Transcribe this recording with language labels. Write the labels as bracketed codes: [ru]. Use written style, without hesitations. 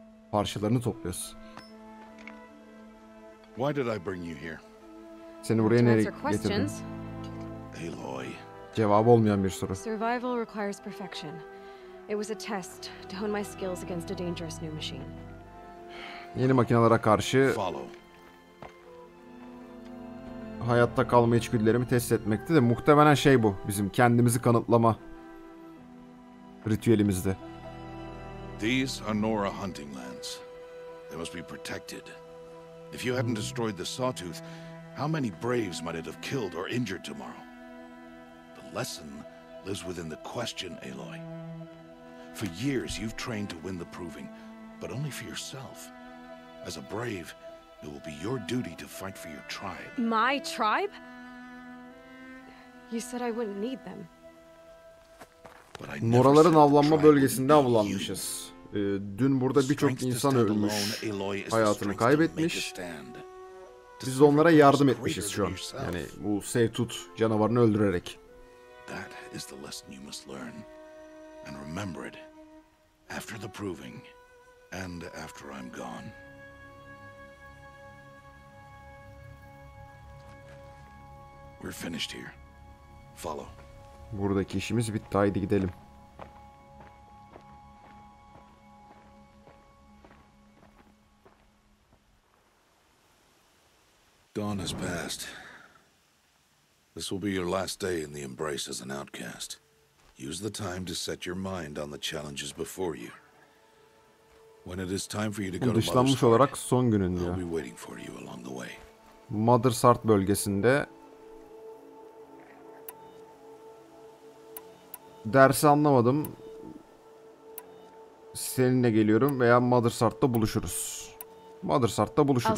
[tr] Parçalarını topluyoruz. [en] Why did I bring you here? [tr] Seni buraya nereye getirdim? [en] Aloy. [tr] Cevabı olmayan bir soru. [en] Survival requires perfection. It was a test to hone my skills against a dangerous new machine. [tr] Yeni makinelere karşı hayatta kalma içgüdülerimi test etmekti de muhtemelen şey bu bizim kendimizi kanıtlama ritüelimizdi. [en] These are Nora hunting lands. They must be protected. If you hadn't destroyed the Sawtooth, how many braves might it have killed or injured tomorrow? The lesson lives within the question, Aloy. For years you've trained to win the proving, but only for yourself. As a brave, it will be your duty to fight for your tribe. My tribe? You said I wouldn't need them. But I never said tribe would need you. [tr] Bölgesinde avlanmışız. Dün burada birçok insan ölmüş, hayatını kaybetmiş. Biz de onlara yardım etmişiz şu an. Yani bu Sawtooth canavarını öldürerek. [en] That is the lesson you must learn. and remember it after the proving and after I'm gone. We're finished here. Follow. [tr] Buradaki işimiz bitti. Haydi gidelim. [en] Dawn has passed. This will be your last day in the Embrace as an outcast. Use the time to set your mind on the challenges before you. When it is time for you to go to Mother's Heart, I'll be waiting for you along the way. [tr] Mother's Heart bölgesinde dersi anlamadım. Seninle geliyorum veya Mother's Heart'ta buluşuruz. Mother's Heart'ta buluşuruz.